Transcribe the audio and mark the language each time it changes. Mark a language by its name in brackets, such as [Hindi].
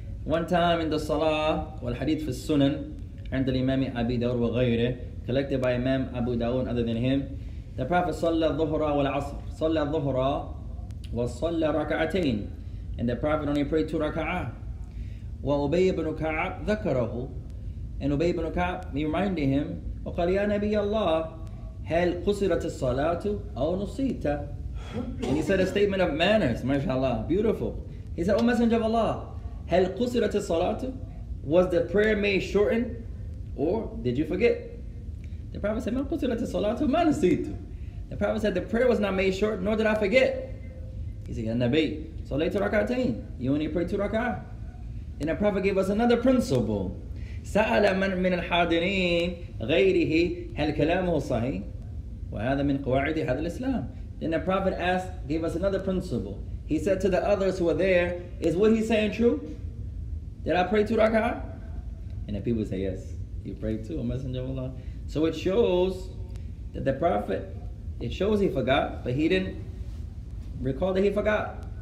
[English] One time in the Salah, [Arabic] wal hadith fi sunan, عند الإمام أبي داود وغيره, [English] collected by Imam Abu Dawud other than him, the Prophet [Arabic] صلى الظهر والعصر, صلى الظهر وصلى ركعتين, [English] and the Prophet only prayed 2 rak'ah. [Arabic] وأبي بن كعب ذكره, [English] and Ubay ibn Ka'b, he reminded him, [Arabic] وقال يا نبي الله هل قصرت الصلاة أو نسيت. [English] And he said a statement of manners, mashallah, beautiful. He said, O Messenger of Allah, [Arabic] هل قصرت الصلاة? [English] Was the prayer made shortened? Or did you forget? The Prophet said, [Arabic] ما قصرت الصلاة? ما نسيت. [English] The Prophet said, the prayer was not made short, nor did I forget. He said, [Arabic] يا نبي, صليت ركعتين. [English] You only prayed 2 rak'ah. And the Prophet gave us another principle. [Arabic] سأل من من الحاضرين غيره هل كلامه صحيح? وهذا من قواعد هذا الإسلام. [English] Then the Prophet asked, gave us another principle. He said to the others who were there, is what he's saying true? Did I pray 2 rak'ah? And the people say, yes, you prayed too, Messenger of Allah. So it shows that the Prophet, it shows he forgot, but he didn't recall that he forgot.